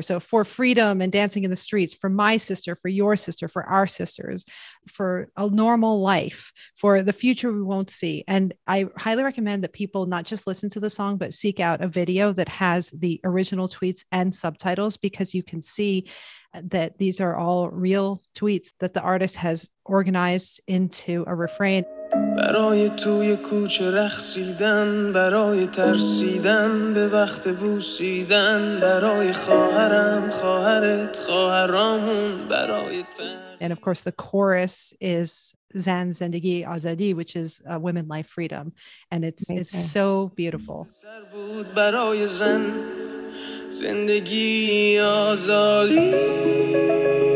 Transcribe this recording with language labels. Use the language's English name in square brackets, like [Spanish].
[English] So for freedom and dancing in the streets, for my sister, for your sister, for our sisters, for a normal life, for the future we won't see. And I highly recommend that people not just listen to the song, but seek out a video that has the original tweets and subtitles, because you can see that these are all real tweets that the artist has organized into a refrain. [Persian] برای توی کوچه رخصیدن، برای ترسیدن، به وقت بوسیدن، برای خواهرم، خواهرت، خواهرامون، برای تن. [English] And of course the chorus is [Persian] Zan Zendegi Azadi, [English] which is women, life, freedom. And it's so beautiful. [Persian] سر بود برای زن زندگی آزادی.